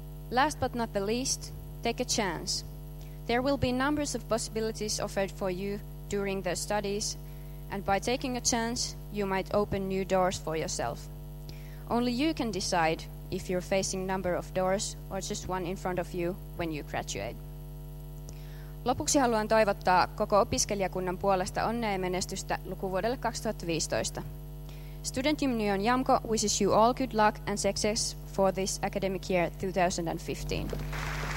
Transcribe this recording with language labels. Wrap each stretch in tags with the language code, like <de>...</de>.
<en>Last but not the least, take a chance. There will be numbers of possibilities offered for you during the studies, and by taking a chance, you might open new doors for yourself. Only you can decide if you're facing number of doors or just one in front of you when you graduate.</en> <fi>Lopuksi haluan toivottaa koko opiskelijakunnan puolesta onnea ja menestystä lukuvuodelle 2015.</fi> <en>Student Union YAMKO wishes you all good luck and success for this academic year 2015.</en>